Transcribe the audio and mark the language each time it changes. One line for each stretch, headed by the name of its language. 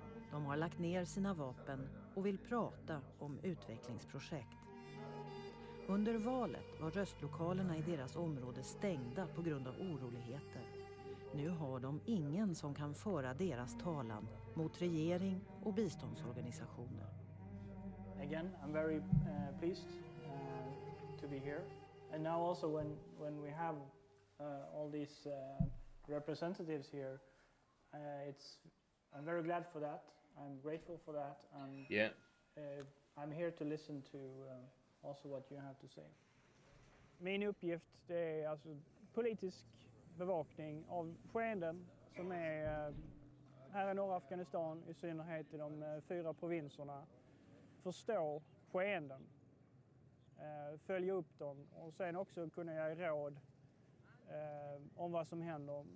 Swedish: De har lagt ner sina vapen och vill prata om utvecklingsprojekt. Under valet var röstlokalerna i deras område stängda på grund av oroligheter. Nu har de ingen som kan föra deras talan mot regering och biståndsorganisationer.
English: Again, I'm very pleased to be here. And now also when we have all these representatives here, I'm very glad for that. I'm grateful for that. And I'm here to listen to also what you have to say.
Swedish: Min uppgift det är alltså politisk bevakning av skeenden som är här i norra Afghanistan, i synnerhet i de fyra provinserna. Förstå skeenden, följa upp dem och sen också kunna ge råd om vad som händer.